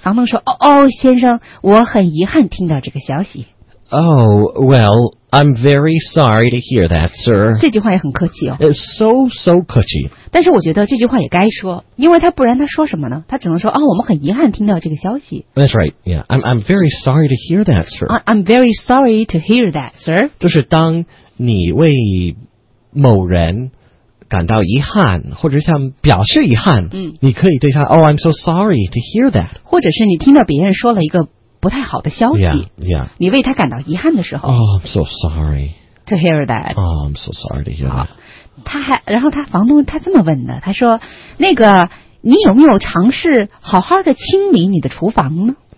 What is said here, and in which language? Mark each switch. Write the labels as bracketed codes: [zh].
[zh] 房东说哦先生，我很遗憾听到这个消息。 [en] Oh, well, I'm very sorry to hear that, sir. [zh] 这句话也很客气哦。 [en] It's so 客气。 [zh] 但是我觉得这句话也该说，因为他不然他说什么呢？他只能说啊、哦，我们很遗憾听到这个消息。 [en] That's right. Yeah, I'm very sorry to hear that, sir. I'm very sorry to hear that, sir. [zh] 就是当你为某人感到遗憾，或者想表示遗憾，嗯，你可以对他 [en] Oh, I'm so sorry to hear that. [zh] 或者是你听到别人说了一个。不太好的消息 [en] yeah. [zh] 你为他感到遗憾的时候 [en] Oh, I'm so sorry to hear that. Oh, I'm so sorry to hear that. [zh] 然后他房东他这么问的，他说那个你有没有尝试好好的清理你的厨房呢？